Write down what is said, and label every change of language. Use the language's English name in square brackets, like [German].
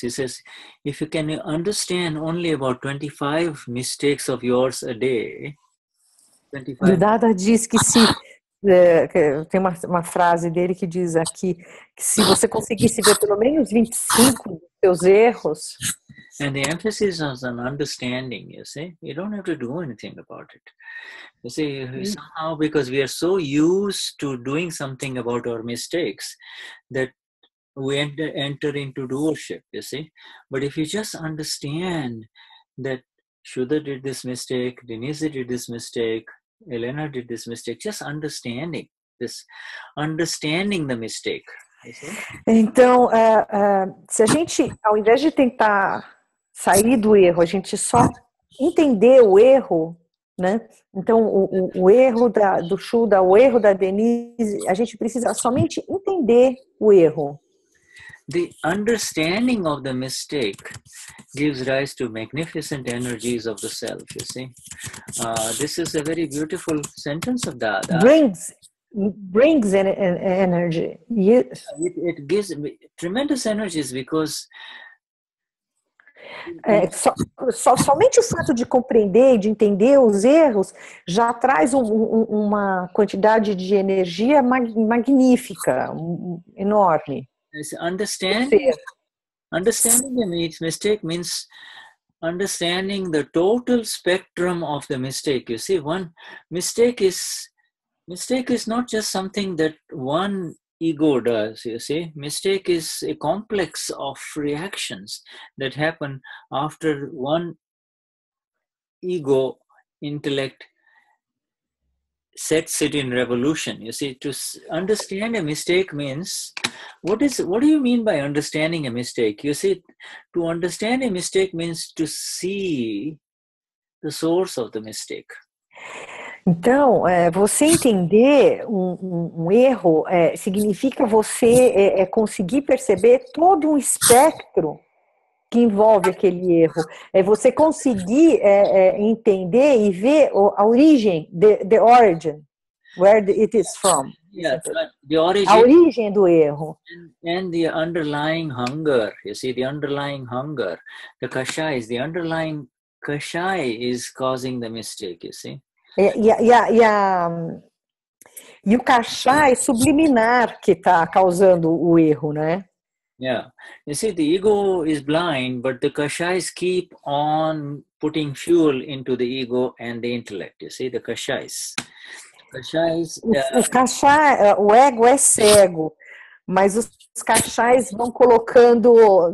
[English] He says, if you can understand only about 25 mistakes of yours a day, 25. [Portuguese] O Dada diz que se tem uma frase dele que diz aqui que se você conseguisse ver pelo menos 25 dos seus erros. [English] And the emphasis is on understanding, you see. You don't have to do anything about it. You see, somehow because we are so used to doing something about our mistakes that we enter into doership, you see. But if you just understand that Shudha did this mistake, Denise did this mistake, Elena did this mistake, just understanding this, understanding the mistake. [Portuguese] Então, se a gente, ao invés de tentar sair do erro, a gente só entender o erro, né? Então, o erro do Shudha, o erro da Denise, a gente precisa somente entender o erro. [English] The understanding of the mistake gives rise to magnificent energies of the self, you see. This is a very beautiful sentence of Dada. Brings an energy. Yes. It gives tremendous energies because... [Portuguese] Somente o fato de compreender e de entender os erros já traz uma quantidade de energia magnífica, enorme. [English] Understanding the mistake means understanding the total spectrum of the mistake. You see, one mistake is not just something that one ego does. You see, mistake is a complex of reactions that happen after one ego intellect sets it in revolution. You see, to understand a mistake means, what do you mean by understanding a mistake? You see, to understand a mistake means to see the source of the mistake. [Portuguese] Então, você entender um erro significa você conseguir perceber todo um espectro que envolve aquele erro. É você conseguir entender e ver a origem, [English] the origin, where it is from. Yeah, the origin, [Portuguese] a origem do erro. [English] And the underlying hunger, you see, the underlying hunger, the kashai, the underlying kashai is causing the mistake, you see. [Portuguese] E o kashai subliminar que está causando o erro, né? [English] Yeah, you see, the ego is blind, but the kashais keep on putting fuel into the ego and the intellect. You see, the kashais. [Portuguese] O ego é cego, mas os kashais vão colocando.